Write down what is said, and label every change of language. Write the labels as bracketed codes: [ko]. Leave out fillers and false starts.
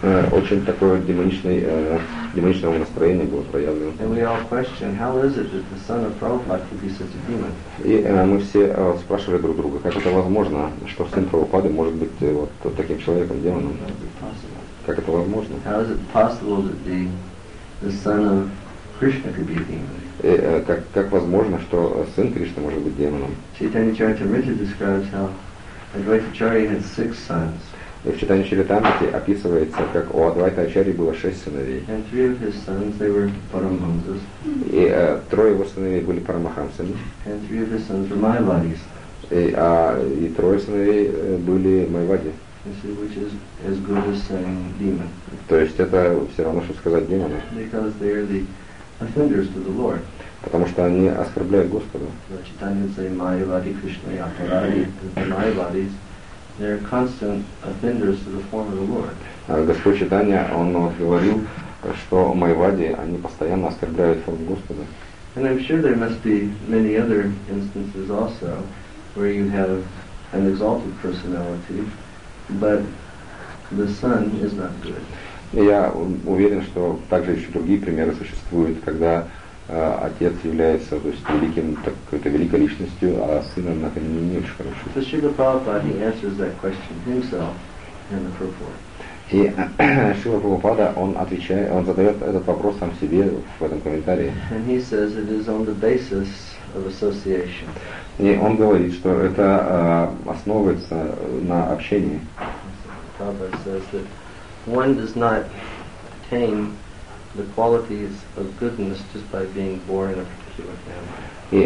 [ru] Очень такое демоничное настроение было проявлено. [en] And we all question, how is it that the son of Prabhupada could be such a demon? [ru] И мы все спрашивали друг друга, как это возможно, что сын Прабхупады может быть вот таким человеком, демоном? Как это возможно? [en] How is it possible that the son of Krishna could be a demon? [ru] И как возможно, что сын Кришны может быть демоном? [en] Chaitanya Charitamrita describes how Advaita Acharya had six sons. [ru] И в Читании Чаритамрите описывается, как у Адвайта Ачарьи было шесть сыновей. [en] And three of his sons, they were Парамахамсас. [ru] И трое его сыновей были Парамахамсами. [en] And three of his sons were Майвадис. [ru] И трое сыновей были Майвади. [en] Which is as good as saying demon. [ru] То есть это все равно, что сказать демоны. [en] Because they are the offenders to the Lord. [ru] Потому что они оскорбляют Господа. [en] Читание say Майвади Кришна Ятарари, the Майвадис. They're constant offenders to the form of the Lord. [ru] Господь Читания, он говорил, что Майвади, они постоянно оскорбляют форму Господа. [en] And I'm sure there must be many other instances also where you have an exalted personality, but the son is not good. [ru] Я уверен, что также еще другие примеры существуют, когда отец является, то есть, великим, какой-то великой личностью, а сын, однако, не очень хорошо. [en] So Srila Prabhupada, he answers that question himself in the purport. [ru] И Srila Prabhupada, он задает этот вопрос сам себе в этом комментарии. [en] And he says it is on the basis of association. [ru] И он говорит, что это основывается на общении. [en] Prabhupada says that one does not attain the qualities of goodness just by being born in a particular family.